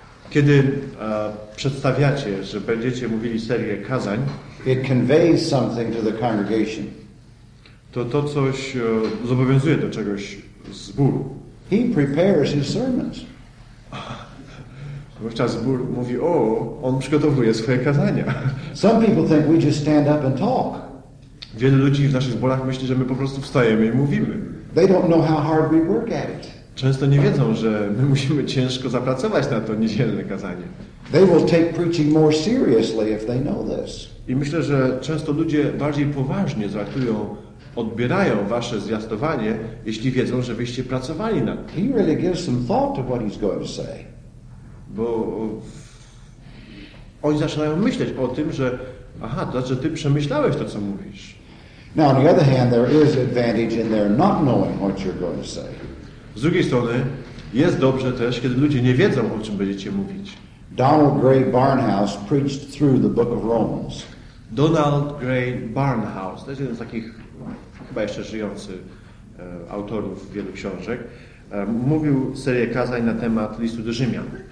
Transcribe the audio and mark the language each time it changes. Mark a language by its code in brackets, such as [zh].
[pl] Kiedy przedstawiacie, że będziecie mówili serię kazań, [en] it conveys something to the congregation. [pl] To coś zobowiązuje do czegoś zbór. [en] He prepares his sermons. [pl] Wówczas zbór mówi, o, on przygotowuje swoje kazania. [en] Some people think we just stand up and talk. [pl] Wielu ludzi w naszych zborach myśli, że my po prostu wstajemy i mówimy. [en] They don't know how hard we work at it. [pl] Często nie wiedzą, że my musimy ciężko zapracować na to niedzielne kazanie. [en] They will take preaching more seriously if they know this. [pl] I myślę, że często ludzie bardziej poważnie traktują, odbierają wasze zwiastowanie, jeśli wiedzą, że wyście pracowali nad tym. [en] He really gives some thought to what he's going to say. [pl] Bo oni zaczynają myśleć o tym, że aha, to znaczy, że ty przemyślałeś to, co mówisz. [en] Now, on the other hand, there is advantage in their not knowing what you're going to say. [pl] Z drugiej strony, jest dobrze też, kiedy ludzie nie wiedzą, o czym będziecie mówić. [en] Donald Gray Barnhouse preached through the Book of Romans. [pl] Donald Gray Barnhouse, to jest jeden z takich, chyba jeszcze żyjący, autorów wielu książek, mówił serię kazań na temat Listu do Rzymian.